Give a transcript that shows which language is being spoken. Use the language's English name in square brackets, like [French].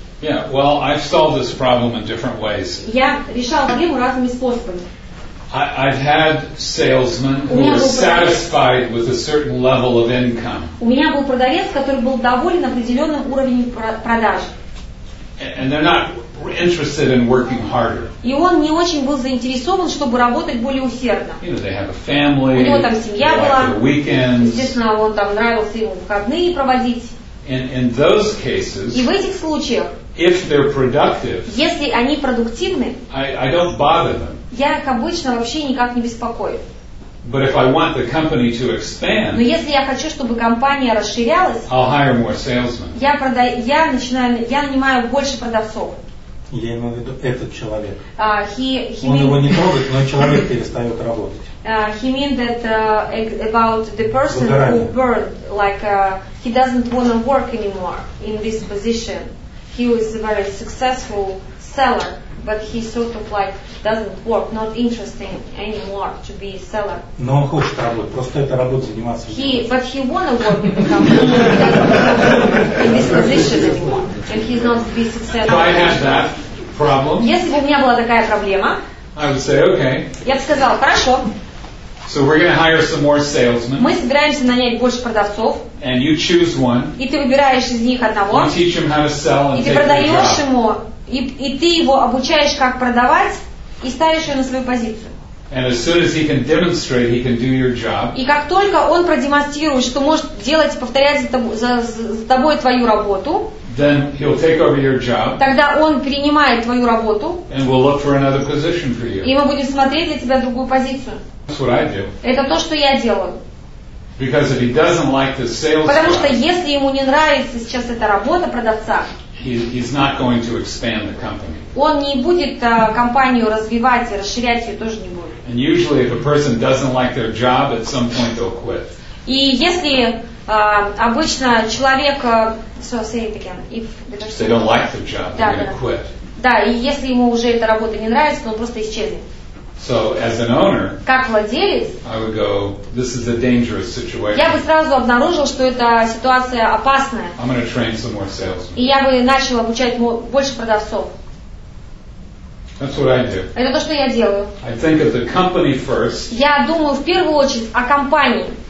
[English] Yeah, well, I've solved this problem in different ways. [Russian] Я решал проблему разными способами. [English] I've had salesmen who were satisfied with a certain level of income. [Russian] У меня был продавец, который был доволен определенным уровнем продаж. [English] And they're not interested in working harder. [Russian] И он не очень был заинтересован, чтобы работать более усердно. [English] You know, they have a family. [Russian] У него там семья была. [English] Weekends. [Russian] Естественно, он там нравился ему выходные проводить. [English] And in those cases. [Russian] И в этих случаях. [English] If they're productive. [Russian] Если они продуктивны. [English] I don't bother them. [Russian] Я их обычно вообще никак не беспокою. [English] But if I want the company to expand, [Russian] но если я хочу, чтобы компания расширялась, [English] I'll hire more salesmen. [Russian] Я нанимаю больше продавцов. Я имею в виду этот человек. Он его не трогает, но человек перестает работать. [English] He means that about the person who burned, like he doesn't want to work anymore in this position. He was a very successful seller. But he sort of like doesn't work, not interesting anymore to be a seller. [Russian] Но он хочет работать, просто это работа заниматься. [English] But he wanna work in the company. He doesn't want to work in this position anymore. And he's not to be successful. If I had that problem, [Russian] если бы у меня была такая проблема, [English] I would say, okay. [Russian] Я бы сказала, хорошо. [English] So we're gonna hire some more salesmen. [Russian] Мы собираемся нанять больше продавцов. [English] And you choose one. [Russian] И ты выбираешь из них одного. [English] You teach him how to sell and take the job. [Russian] И ты продаешь ему. И ты его обучаешь, как продавать, и ставишь его на свою позицию. [English] And as soon as he can demonstrate, he can do your job. [Russian] И как только он продемонстрирует, что может делать и повторять за тобой твою работу, [English] then he'll take over your job. [Russian] Тогда он принимает твою работу. [English] And we'll look for another position for you. [Russian] И мы будем смотреть для тебя другую позицию. [English] That's what I do. [Russian] Это то, что я делаю. [English] Because if he doesn't like the sales [Russian] Потому что если ему не нравится сейчас эта работа продавца, [English] He's not going to expand the company. [Russian] Он не будет компанию развивать и расширять ее тоже не будет. [English] And usually, if a person doesn't like their job, at some point they'll quit. [Russian] И если обычно человек, [English] so say it again, if they don't like the job, they're going to quit. [Russian] Да, и если ему уже эта работа не нравится, он просто исчезнет. [English] So as an owner, [Russian] как владелец, [English] I would go, this is a dangerous situation. [Russian] Я бы сразу обнаружил, что эта ситуация опасная. [English] I'm going to train some more salesmen. [Russian] И я бы начал обучать больше продавцов. [English] That's what I do. [Russian] Это то, что я делаю. [English] I think of the company first. [Russian] Я думаю в первую очередь о компании.